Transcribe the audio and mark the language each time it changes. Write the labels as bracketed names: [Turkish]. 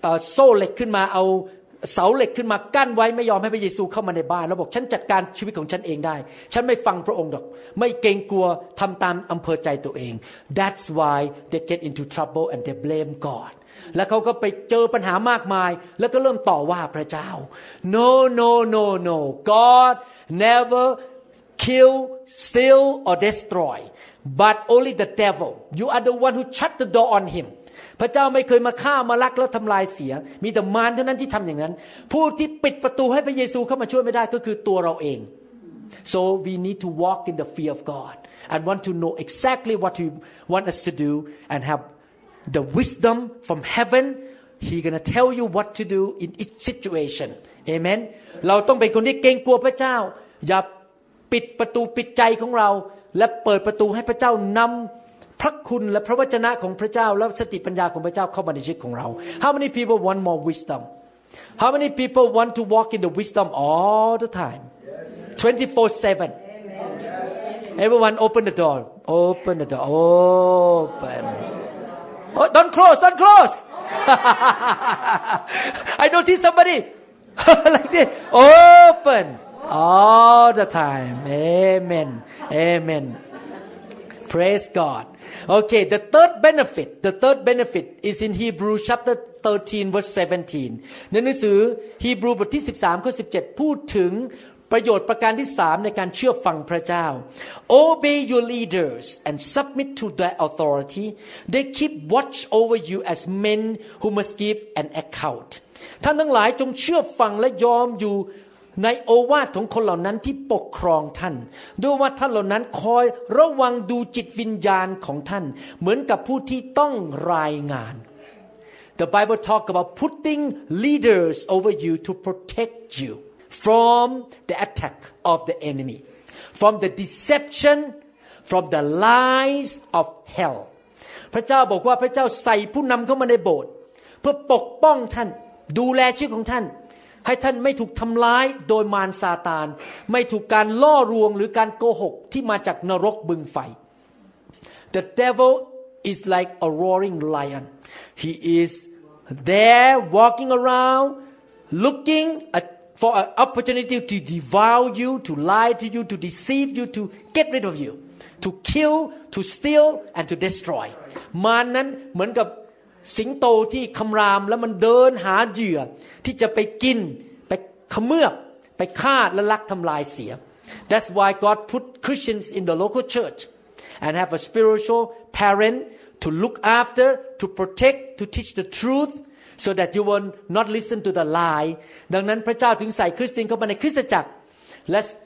[Thai] โซ่เหล็กขึ้นมาเอาเสาเหล็กขึ้นมากั้นไว้ไม่ยอมให้พระเยซูเข้ามาในบ้านแล้วบอกฉันจัดการชีวิตของฉันเองได้ฉันไม่ฟังพระองค์หรอกไม่เกรงกลัวทำตามอำเภอใจตัวเอง [English] That's why they get into trouble and they blame God [Thai] แล้วเขาก็ไปเจอปัญหามากมายแล้วก็เริ่มต่อว่าพระเจ้า [English] No no no no God neverKill, steal, or destroy. But only the devil. You are the one who shut the door on him. [Thai] พระเจ้าไม่เคยมาฆ่ามาลักและทำลายเสียมีแต่มารเท่านั้นที่ทำอย่างนั้นผู้ที่ปิดประตูให้พระเยซูเข้ามาช่วยไม่ได้ก็คือตัวเราเอง [English] So we need to walk in the fear of God and want to know exactly what he want us to do and have the wisdom from heaven. He gonna tell you what to do in each situation. Amen. [Thai] เราต้องเป็นคนที่เกรงกลัวพระเจ้าอย่าปิดประตูปิดใจของเราและเปิดประตูให้พระเจ้านำพระคุณและพระวจนะของพระเจ้าและสติปัญญาของพระเจ้าเข้ามาในชีวิตของเรา [English] How many people want more wisdom? How many people want to walk in the wisdom all the time? 24/7 Everyone open the door. Open the door. Open. Oh, don't close. Don't close. I noticed somebody like this. Open. All the time. Amen. Amen. Praise God. Okay, the third benefit. The third benefit is in Hebrews chapter 13, verse 17. [Thai] ในหนังสือฮีบรูบทที่13ข้อ17พูดถึงประโยชน์ประการที่3ในการเชื่อฟังพระเจ้า [English] Obey your leaders and submit to their authority. They keep watch over you as men who must give an account. [Thai] ท่านทั้งหลายจงเชื่อฟังและยอมอยู่ในโอวาทของคนเหล่านั้นที่ปกครองท่านด้วยว่าท่านเหล่านั้นคอยระวังดูจิตวิญญาณของท่านเหมือนกับผู้ที่ต้องรายงาน [English] The Bible talk about putting leaders over you to protect you from the attack of the enemy from the deception from the lies of hell [Thai] พระเจ้าบอกว่าพระเจ้าใส่ผู้นำเข้ามาในโบสถ์เพื่อปกป้องท่านดูแลชีวิตของท่านให้ท่านไม่ถูกทำร้ายโดยมารซาตานไม่ถูกการล่อลวงหรือการโกหกที่มาจากนรกบึงไฟ [English] The devil is like a roaring lion. He is there walking around looking for an opportunity to devour you, to lie to you, to deceive you, to get rid of you, to kill, to steal, and to destroy. [Thai] มารนั้นเหมือนกับสิงโตที่คำรามแล้วมันเดินหาเหยื่อที่จะไปกินไปขมือบไปฆ่าและลักทำลายเสีย [English] That's why God put Christians in the local church and have a spiritual parent to look after, to protect, to teach the truth so that you will not listen to the lie [Thai] ดังนั้นพระเจ้าถึงใส่คริสเตียนเข้ามาในคริสตจักรและ